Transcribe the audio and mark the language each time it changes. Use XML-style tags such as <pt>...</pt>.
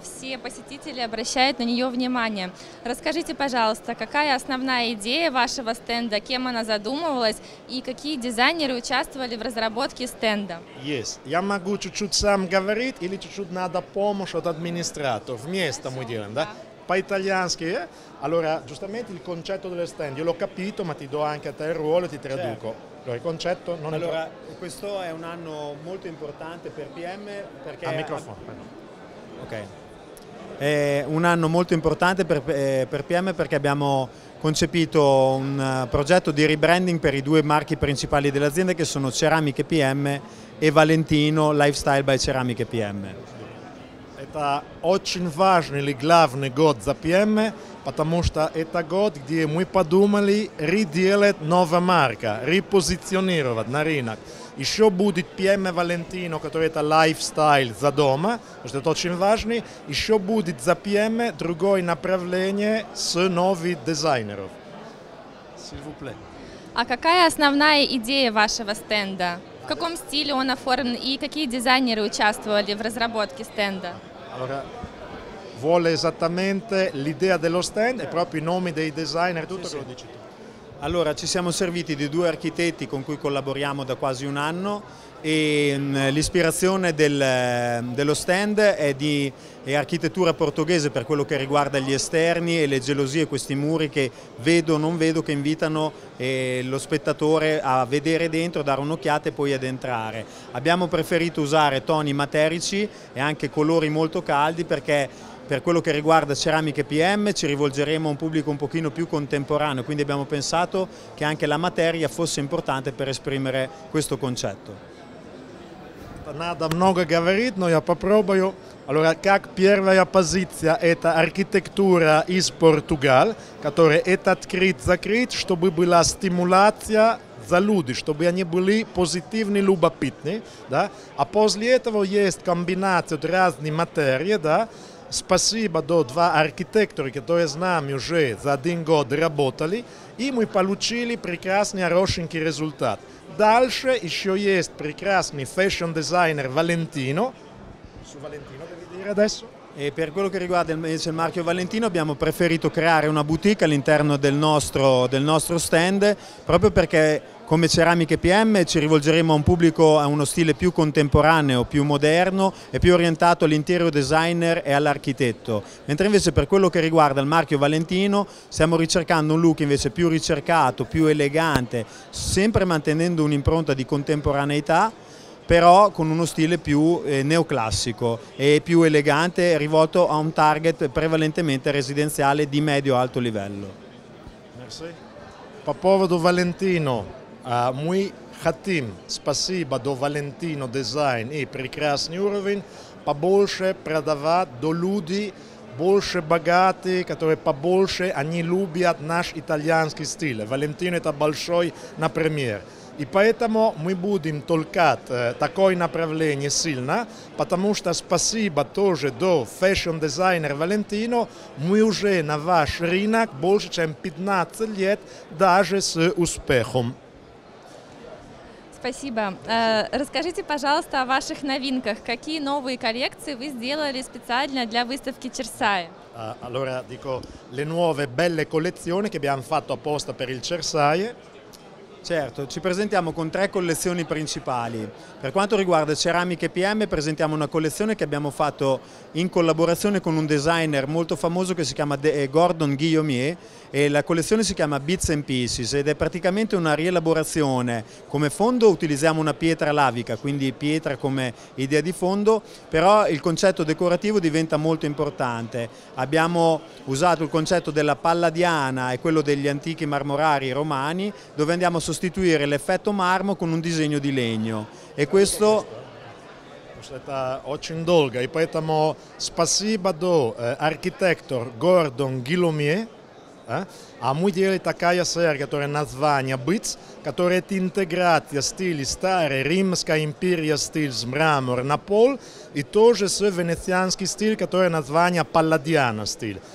<ru>Все посетители обращают на нее внимание. Расскажите, пожалуйста, какая основная идея вашего стенда, кем она задумывалась и какие дизайнеры участвовали в разработке стенда? Есть. Я могу чуть-чуть сам говорить или чуть-чуть надо помощь от администратора. Вместо мы делаем, да? По-итальянски.</ru> <it>Allora, giustamente il concetto dello stand, io l'ho capito, ma ti do anche a te il ruolo e ti traduco. Allora, il concetto non è... Allora, questo è un anno molto importante per PM perché... Al microfono, Ok. È un anno molto importante per PM perché abbiamo concepito un progetto di rebranding per i due marchi principali dell'azienda che sono Ceramiche PM e Valentino Lifestyle by Ceramiche PM.</it> <ru>Это очень важный или главный год за PM, потому что это год, где мы подумали ределать новую марку, репозиционировать на рынок. Еще будет PM Valentino, который это lifestyle за дома, потому что это очень важно. Еще будет за PM другое направление с новыми дизайнерами. А какая основная идея вашего стенда? В каком стиле он оформлен и какие дизайнеры участвовали в разработке стенда?</ru> <it>Allora, vuole esattamente l'idea dello stand e proprio i nomi dei designer, tutto quello che dici tu. Allora, ci siamo serviti di due architetti con cui collaboriamo da quasi un anno e l'ispirazione dello stand è architettura portoghese per quello che riguarda gli esterni e le gelosie, questi muri che vedo o non vedo, che invitano lo spettatore a vedere dentro, dare un'occhiata e poi ad entrare. Abbiamo preferito usare toni materici e anche colori molto caldi perché per quello che riguarda Ceramiche PM ci rivolgeremo a un pubblico un pochino più contemporaneo, quindi abbiamo pensato che anche la materia fosse importante per esprimere questo concetto.</it> <ru>Надо много говорить, но я попробую.</ru> <it>Allora,</it> <ru>как первая позиция, это архитектура из Португалии, которая этот крит закрыт, чтобы была стимуляция за люди, чтобы они были позитивны, любопытны. Да? А после этого есть комбинация от разной материи. Да? Спасибо до два архитектора, которые с нами уже за один год работали, и мы получили прекрасный, хорошенький результат. Дальше еще есть прекрасный фэшн-дизайнер Валентино.</ru> <it>Su Valentino devi dire adesso? E per quello che riguarda invece il marchio Valentino abbiamo preferito creare una boutique all'interno del nostro stand proprio perché come Ceramiche PM ci rivolgeremo a un pubblico, a uno stile più contemporaneo, più moderno e più orientato all'interior designer e all'architetto. Mentre invece per quello che riguarda il marchio Valentino stiamo ricercando un look invece più ricercato, più elegante, sempre mantenendo un'impronta di contemporaneità, però con uno stile più neoclassico e più elegante, rivolto a un target prevalentemente residenziale di medio-alto livello.</it> <fr>Merci.</fr> <it>Per poco</it> <ru>Valentino, muy хотим, спасибо до Valentino Design и прекрасный уровень, побольше продавать до людей, больше богатые, которые побольше, они любят наш итальянский стиль. Valentino это большой, например. И поэтому мы будем толкать такое направление сильно, потому что спасибо тоже до фэшн-дизайнера Валентино, мы уже на ваш рынок больше чем 15 лет, даже с успехом. Спасибо. Расскажите, пожалуйста, о ваших новинках. Какие новые коллекции вы сделали специально для выставки Черсай?</ru> <it>Allora, dico, le nuove belle collezioni che abbiamo fatto apposta per il Черсай. Certo, ci presentiamo con tre collezioni principali. Per quanto riguarda Ceramiche PM presentiamo una collezione che abbiamo fatto in collaborazione con un designer molto famoso che si chiama Gordon Guillaumier e la collezione si chiama Bits and Pieces ed è praticamente una rielaborazione. Come fondo utilizziamo una pietra lavica, quindi pietra come idea di fondo, però il concetto decorativo diventa molto importante. Abbiamo usato il concetto della palladiana e quello degli antichi marmorari romani, dove andiamo sostituire l'effetto marmo con un disegno di legno e questo è</it> <ru>очень долго и поэтому спасибо до architect Gordon Guillaumier А мы делали такая серия, которая название «Быц», которая интегрирует стиль старый, римская империя стиль с мрамор на пол, и тоже с венецианский стиль, который название «Палладиано стиль».</ru>